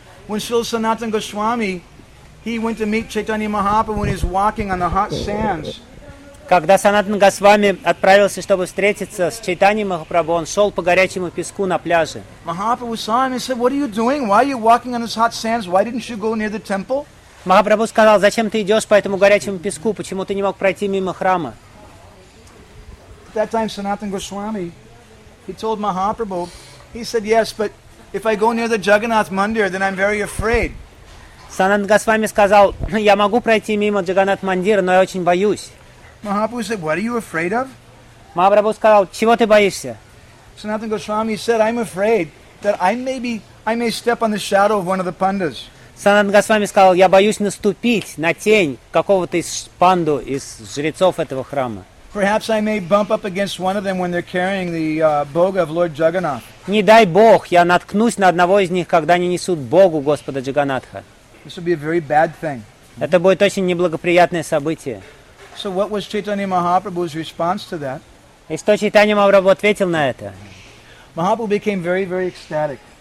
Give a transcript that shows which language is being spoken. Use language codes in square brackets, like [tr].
[en] When Srila Sanatana Goswami, he went to meet Chaitanya Mahaprabhu when he was walking on the hot sands. [ru] Когда Санатан Госвами отправился, чтобы встретиться с Чайтаньей Махапрабху, он шел по горячему песку на пляже. [en] Mahaprabhu saw him and said, "What are you doing? Why are you walking on these hot sands? Why didn't you go near the temple?" [ru] Махапрабху сказал: "Зачем ты идешь по этому горячему песку? Почему ты не мог пройти мимо храма?" [en] At that time, Sanatan Goswami, he told Mahaprabhu, he said, "Yes, but if I go near the Jagannath Mandir, then I'm very afraid." [ru] Санатан Госвами сказал: "Я могу пройти мимо Джаганнат Мандира, но я очень боюсь." [en] Mahaprabhu said, "What are you afraid of?" [ru] Mahaprabhu сказал: "Чего ты боишься?" [en] Sanatan Goswami said, "I'm afraid that I may step on the shadow of one of the pandas." [ru] Санатан Госвами сказал: "Я боюсь наступить на тень какого-то из панду, из жрецов этого храма." [en] Perhaps I may bump up against one of them when they're carrying the boga of Lord Jagannath. [ru] Не дай бог, я наткнусь на одного из них, когда они несут богу Господа Джаганнатха. [en] This would be a very bad thing. [ru] Это будет очень неблагоприятное событие. [en] So what was Chaitanya Mahaprabhu's response to that? [ru] И что Чайтанья Махапрабху ответил на это? [en] Mahaprabhu became very, very ecstatic.